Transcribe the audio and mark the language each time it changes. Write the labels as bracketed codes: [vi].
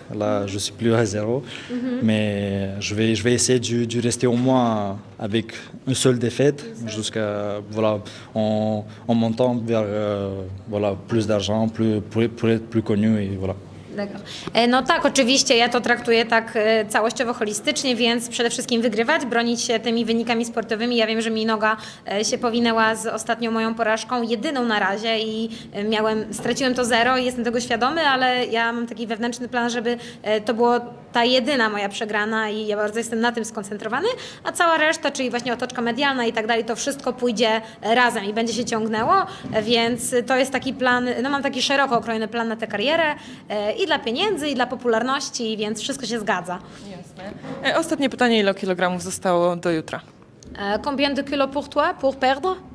[fr] Là, je ne suis plus à zéro, mais je vais essayer de rester au moins avec une seule défaite jusqu'à voilà en montant vers voilà plus d'argent, pour être plus connu et voilà. [pl] No tak, oczywiście, ja to traktuję tak całościowo, holistycznie, więc przede wszystkim wygrywać, bronić się tymi wynikami sportowymi. Ja wiem, że mi noga się powinęła z ostatnią moją porażką, jedyną na razie, i straciłem to zero i jestem tego świadomy, ale ja mam taki wewnętrzny plan, żeby to było ta jedyna moja przegrana i ja bardzo jestem na tym skoncentrowany, a cała reszta, czyli właśnie otoczka medialna i tak dalej, to wszystko pójdzie razem i będzie się ciągnęło, więc to jest taki plan, no mam taki szeroko okrojony plan na tę karierę i dla pieniędzy, i dla popularności, więc wszystko się zgadza. Jasne. Ostatnie pytanie, ile kilogramów zostało do jutra? [fr] Combien de kilos pour toi, pour perdre?